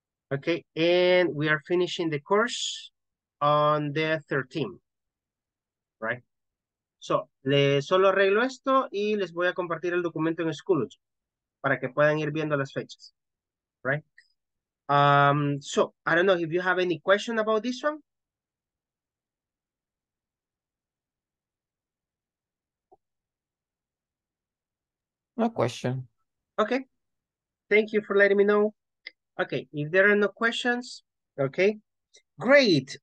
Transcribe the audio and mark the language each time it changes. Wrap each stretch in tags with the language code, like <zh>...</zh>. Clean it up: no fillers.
<en>Okay, and we are finishing the course on the 13th. Right?</en> <es>So, le solo arreglo esto y les voy a compartir el documento en Schoology para que puedan ir viendo las fechas.</es> <en>Right? So, I don't know if you have any question about this one. No question. Okay. Thank you for letting me know. Okay, if there are no questions, okay. Great.</en>